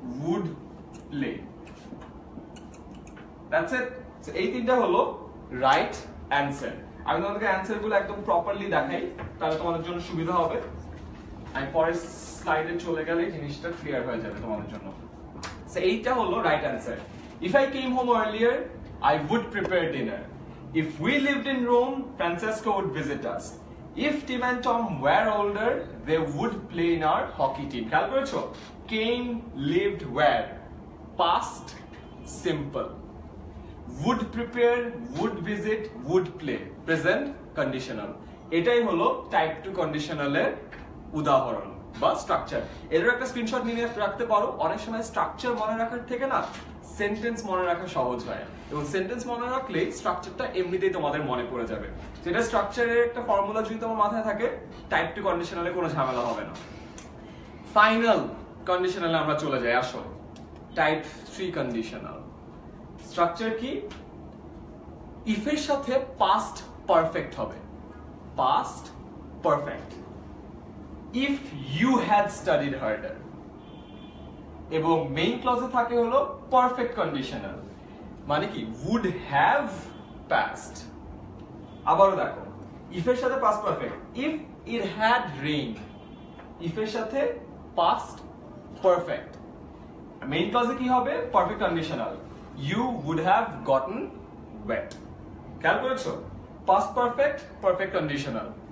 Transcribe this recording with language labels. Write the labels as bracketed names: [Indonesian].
[Bangla] Would play. That's it. এই তিনটা হলো রাইট অ্যান্সার। আমি তোমাদেরকে অ্যান্সার গুলো একদম প্রপারলি দেখাই, তাহলে তোমাদের জন্য সুবিধা হবে। আমি পরের স্লাইডে চলে গেলে জিনিসটা ক্লিয়ার হয়ে যাবে তোমাদের জন্য। এইটা হলো right answer. [English] If I came home earlier, I would prepare dinner. If we lived in Rome, Francesco would visit us. If Tim and Tom were older, they would play in our hockey team. [Bangla] খেয়াল করেছো? [English] Came, lived, were. Past, simple. Would prepare, would visit, would play. Present, conditional. [Bangla] এটাই হলো type 2 conditional এর উদাহরণ বা structure. এদের একটা screenshot নিয়ে রাখতে পারো। অনেক সময় স্ট্রাকচার মনে রাখার থেকে না সেন্টেন্স মনে রাখা সহজ হয়, এবং সেন্টেন্স মনে রাখলে স্ট্রাকচারটা এমনিতেই তোমাদের মনে পড়ে যাবে। যেটা স্ট্রাকচারের একটা ফর্মুলা যদি তোমার মাথায় থাকে, টাইপ টু কন্ডিশনালে কোনো ঝামেলা হবে না। ফাইনাল কন্ডিশনালে আমরা চলে যাই, আসো। টাইপ থ্রি কন্ডিশনাল স্ট্রাকচার কি? ইফের সাথে পাস্ট পারফেক্ট হবে, past perfect. [English] If you had studied harder. [Bangla] এবং মেইন ক্লজে থাকে হলো পারফেক্ট কন্ডিশনাল, মানে কি? [English] Would have passed. [Bangla] আবারও দেখো, [English] if এর সাথে past perfect. If it had rained. [Bangla] If এর সাথে past perfect. মেইন ক্লজে কি হবে? [English] Perfect conditional, You would have gotten wet. [Bangla] খেয়াল করেছো? [English] Past perfect, perfect conditional.